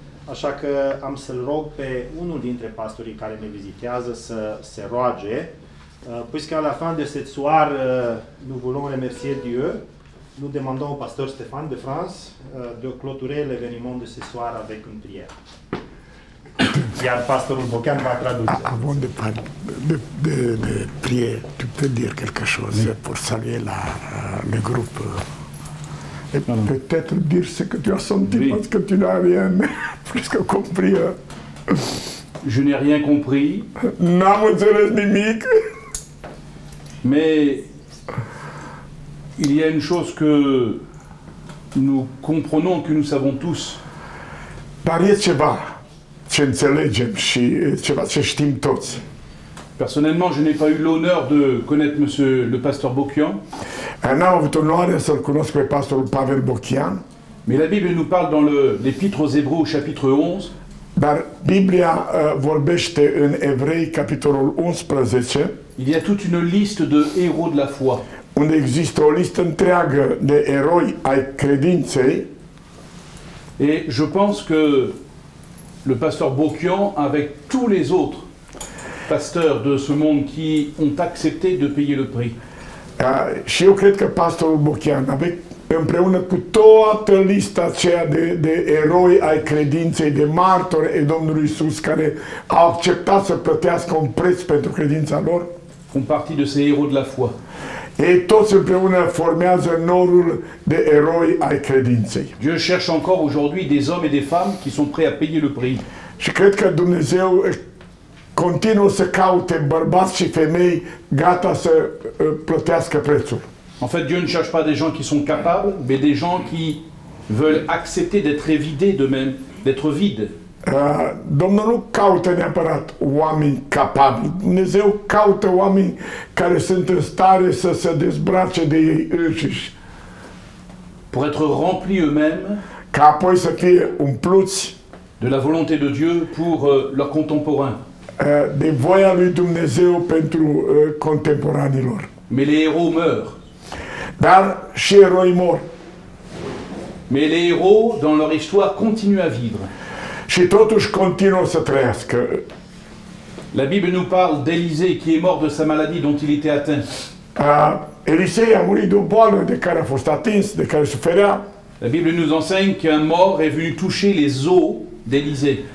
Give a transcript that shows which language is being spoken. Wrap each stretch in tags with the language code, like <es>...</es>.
<ro>Așa că am să-l rog pe unul dintre pastorii care ne vizitează să se roage.</ro> <fr>Puisque à la fin de cette soirée, nous voulons remercier Dieu. Nous demandons au pasteur Stéphane de France de clôturer l'événement de ce soir avec une prière.</fr> <ro>Iar pastorul Bochean va traduce.</ro> <fr>Avant de prier, tu peux dire quelque chose pour saluer le groupe. Et peut-être dire ce que tu as senti parce que tu n'as rien plus que compris. Je n'ai rien compris.</fr> <ro>N'am înțeles nimic.</ro> <fr>Mais il y a une chose que nous comprenons, que nous savons tous.</fr> <ro>Dar e ceva ce înțelegem și ceva ce știm toți.</ro> <fr>Personnellement, je n'ai pas eu l'honneur de connaître monsieur le pasteur Bochean.</fr> <ro>N-am avut onoarea să-l cunosc pe pastorul Pavel Bochean.</ro> <fr>Mais la Bible nous parle dans l'Épître aux Hébreux au chapitre 11.</fr> <ro>Dar Biblia vorbește în Evrei capitolul 11.</ro> <fr>Il y a toute une liste de héros de la foi.</fr> <ro>Unde există o listă întreagă de eroi ai credinței.</ro> <fr>Et je pense que le pasteur Bochean avec tous les autres pasteurs de ce monde qui ont accepté de payer le prix.</fr> <ro>Și eu cred că pastorul Bochean avec împreună cu toată lista aceea de eroi ai credinței, de martori ai Domnului Iisus care au acceptat să plătească un preț pentru credința lor.</ro> <fr>Font partie de ces héros de la foi. Et tous</fr> <ro>împreună formează norul de eroi ai credinței.</ro> <fr>Dieu cherche encore aujourd'hui des hommes et des femmes qui sont prêts à payer le prix.</fr> <ro>Și cred că Dumnezeu continuă să caute bărbați și femei gata să plătească prețul.</ro> <fr>En fait, Dieu ne cherche pas des gens qui sont capables, mais des gens qui veulent accepter d'être vidés d'eux-mêmes, d'être vides.</fr> <ro>Domnul nu caută neapărat oameni capabili. Dumnezeu caută oameni care sunt în stare să se dezbrace de ei înșiși.</ro> <fr>Pour être rempli eux-mêmes.</fr> <ro>Ca apoi să fie umpluți.</ro> <fr>De la volonté de Dieu pour leurs contemporains.</fr> <ro>De voia lui Dumnezeu pentru contemporanilor.</ro> <fr>Mais les héros meurent.</fr> <ro>Dar și eroi mor.</ro> <fr>Mais les héros, dans leur histoire, continuent à vivre.</fr> <ro>Și totuși continuă să trăiască.</ro> <fr>La Bible nous parle d'Élisée qui est mort de sa maladie dont il était atteint.</fr> <ro>Élisée a murit de boală de care a fost atins, de care suferea.</ro> <fr>La Bible nous enseigne qu'un mort est venu toucher les os d'Élisée.</fr>